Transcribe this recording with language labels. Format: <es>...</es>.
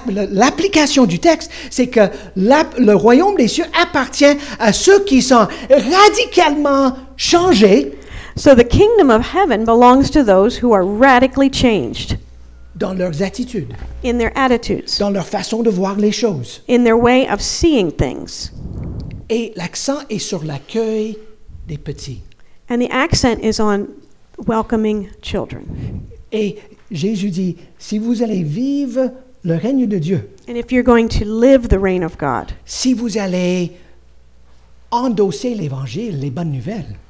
<fr>L'application du texte, c'est que le royaume des cieux appartient à ceux qui sont radicalement changés.</fr> <en>So the kingdom of heaven belongs to those who are radically changed.</en> <fr>Dans leurs attitudes.</fr> <en>In their attitudes.</en> <fr>Dans leur façon de voir les choses.</fr> <en>In their way of seeing things.</en> <fr>Et l'accent est sur l'accueil des petits.</fr> <en>And the accent is on welcoming children.</en> <fr>Et Jésus dit, si vous allez vivre le règne de Dieu,</fr> <en>and if you're going to live the reign of God,</en> <fr>si vous allez endosser l'évangile, les bonnes nouvelles,</fr>